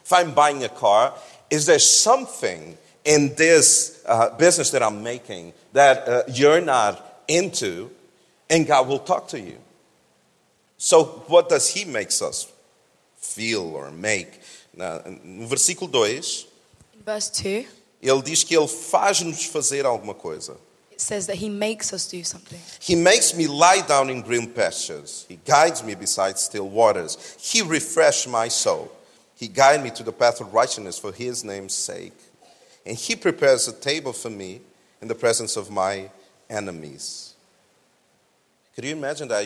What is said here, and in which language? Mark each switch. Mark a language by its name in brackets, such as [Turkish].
[English] If I'm buying a car, is there something in this business that I'm making that you're not into? And God will talk to you. So what does he makes us feel or make? [Portuguese] No versículo 2. [English] Verse 2. [Portuguese] Ele diz que ele faz-nos fazer alguma coisa. [English] It says that he makes us do something. He makes me lie down in green pastures. He guides me beside still waters. He refreshes my soul. He guides me to the path of righteousness for his name's sake. And he prepares a table for me in the presence of my enemies. Could you imagine that?